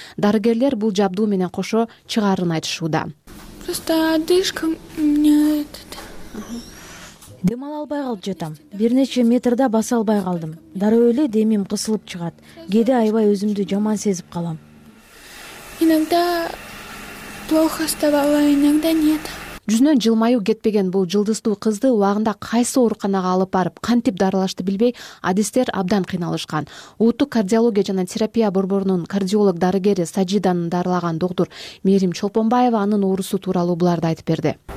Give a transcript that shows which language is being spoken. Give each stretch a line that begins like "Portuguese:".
Kyrgyz: Дарыгерлер бул жабдуу менен кошо чыгарын айтышууда.
Russian: Просто одышка мне этот.
Kyrgyz: Дем ала албай калып жатам. Бир нече метрде баса албай калдым. Дароо эле демим кысылып чыгат. Кээде аябай өзүмдү жаман сезип калам.
Russian: Иногда плохо стало, иногда нет.
Kyrgyz: Жүзүнөн жылмаюу кетпеген бул жылдыздуу кызды убагында кайсы ооруканага алып барып, кантип дарылашты билбей, адистер абдан кыйналышкан. Ууту кардиология жана терапия борборунун кардиолог дарыгери Сажиданын дарылаган доктур Мээрим Чолпонбаева анын оорусу тууралуу буларды айтып берди.